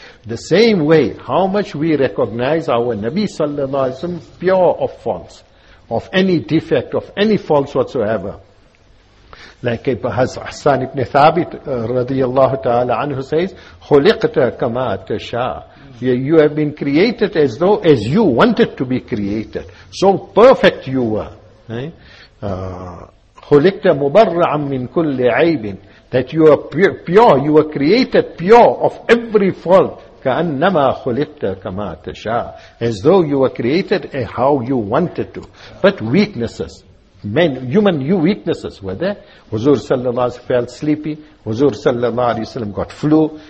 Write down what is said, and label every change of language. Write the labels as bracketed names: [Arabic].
[English] The same way, how much we recognize our Nabi sallallahu alayhi wa sallam, pure of faults, of any defect, of any faults whatsoever. Like Hassan ibn Thabit radiyallahu ta'ala anhu says, [Arabic] خُلِقْتَ كَمَا تَشَاءَ. [English] You have been created as though as you wanted to be created. So perfect you were. [Arabic] خُلِقْتَ مُبَرَّعًا مِّن كُلِّ عَيْبٍ. [English] that you are pure, you were created pure of every fault. [Arabic] كَأَنَّمَا خُلِقْتَ كَمَا تَشَاء, [English] as though you were created how you wanted to. But weaknesses, men, human, you weaknesses were there. Huzur sallallahu alayhi wa sallam felt sleepy. Huzur sallallahu alayhi wa sallam got flu.